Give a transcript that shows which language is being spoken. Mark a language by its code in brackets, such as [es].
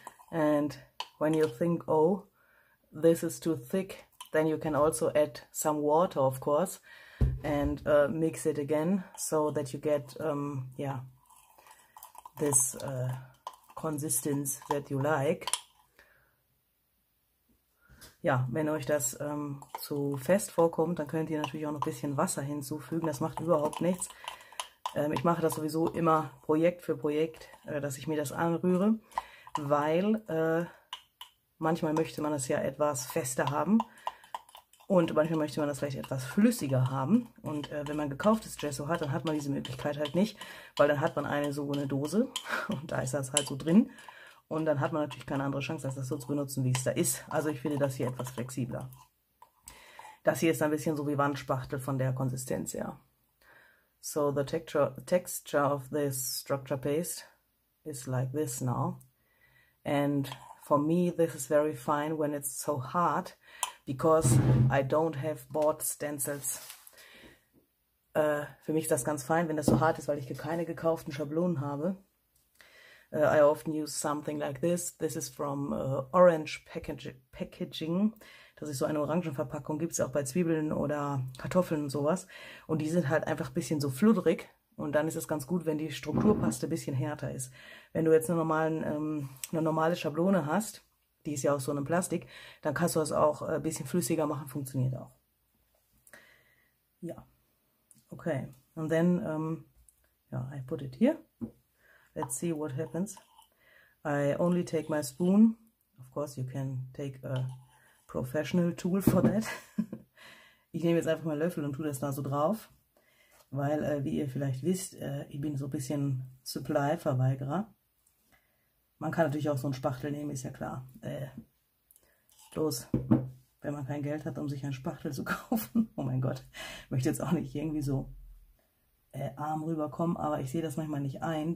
[en] And when you think, oh, this is too thick, then you can also add some water, of course, and mix it again so that you get yeah, this consistence that you like. [de] Ja, wenn euch das zu fest vorkommt, dann könnt ihr natürlich auch noch ein bisschen Wasser hinzufügen. Das macht überhaupt nichts. Ich mache das sowieso immer Projekt für Projekt, dass ich mir das anrühre, weil manchmal möchte man das ja etwas fester haben und manchmal möchte man das vielleicht etwas flüssiger haben. Und wenn man gekauftes Gesso hat, dann hat man diese Möglichkeit halt nicht, weil dann hat man eine so eine Dose und da ist das halt so drin. Und dann hat man natürlich keine andere Chance, als das so zu benutzen, wie es da ist. Also ich finde das hier etwas flexibler. Das hier ist ein bisschen so wie Wandspachtel von der Konsistenz her. [en] So the texture of this structure paste is like this now. And for me this is very fine when it's so hard, because I don't have bought stencils. [de] Für mich ist das ganz fein, wenn das so hart ist, weil ich keine gekauften Schablonen habe. [en] I often use something like this. This is from Orange Packaging. [de] Dass es so eine Orangenverpackung gibt, auch bei Zwiebeln oder Kartoffeln und sowas. Und die sind halt einfach ein bisschen so fluddrig. Und dann ist es ganz gut, wenn die Strukturpaste ein bisschen härter ist. Wenn du jetzt eine normale Schablone hast, die ist ja aus so einem Plastik, dann kannst du das auch ein bisschen flüssiger machen. Funktioniert auch. Ja. Okay. [en] And then, yeah, I put it here. Let's see what happens. I only take my spoon. Of course, you can take a professional tool for that. [de] Ich nehme jetzt einfach mal Löffel und tue das da so drauf. Weil, wie ihr vielleicht wisst, ich bin so ein bisschen Supply-Verweigerer. Man kann natürlich auch so einen Spachtel nehmen, ist ja klar. Bloß, wenn man kein Geld hat, um sich einen Spachtel zu kaufen. Oh mein Gott, ich möchte jetzt auch nicht irgendwie so arm rüberkommen, aber ich sehe das manchmal nicht ein.